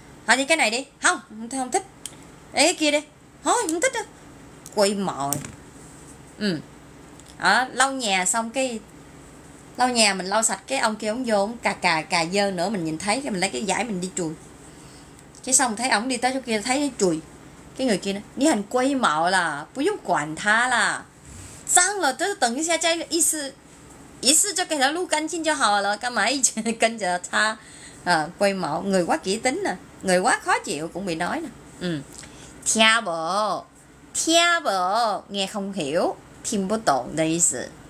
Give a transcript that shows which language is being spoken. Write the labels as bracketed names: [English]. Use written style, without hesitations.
[Vietnamese] Thôi đi cái này đi. Không, không thích. Lấy cái kia đi. Thôi, không thích đâu. Quấy mão. Lau nhà xong cái, lau nhà mình lau sạch cái ông kia ông vô, ông cà dơ nữa, mình nhìn thấy, mình lấy cái giải mình đi chùi. Cái xong thấy ông đi tới chỗ kia, thấy chùi. [Chinese] Cái người kia nói, 你很龟毛啦, 不用管他啦, 脏了, 就等一下再一次, 一次就给他撸干净就好了, 干嘛一直跟着他, 龟毛, [Vietnamese] người quá kỹ tính, người quá khó chịu cũng bị nói. Theo bộ, nghe không hiểu, [Chinese] 听不懂的意思.